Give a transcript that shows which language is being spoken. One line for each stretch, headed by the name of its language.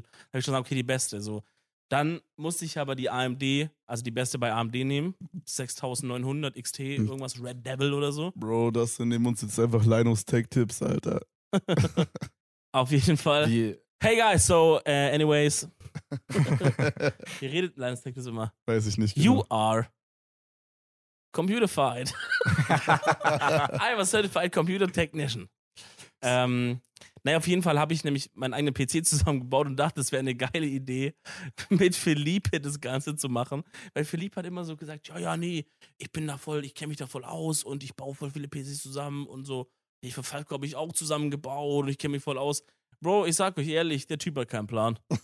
German: Da habe ich schon gesagt, okay, die beste, so. Dann musste ich aber die AMD, also die beste bei AMD nehmen, 6900 XT, irgendwas Red Devil oder so. Bro, das nehmen uns jetzt einfach Linus Tech Tipps, Alter. Auf jeden Fall.
English: Hey guys, anyways.
German: Ihr redet, Linus Tech ist immer. Weiß ich nicht. Genau.
English: You are. Computerfied. I am a certified computer technician.
German: Naja, auf jeden Fall habe ich nämlich meinen eigenen PC zusammengebaut und dachte, es wäre eine geile Idee, mit Philippe das Ganze zu machen. Weil Philippe hat immer so gesagt, ja, ja, nee, ich bin da voll, ich kenne mich da voll aus und ich baue voll viele PCs zusammen und so. Ich für Falco habe ich auch zusammengebaut und ich kenne mich voll aus. Bro, ich sag euch ehrlich, der Typ hat keinen Plan.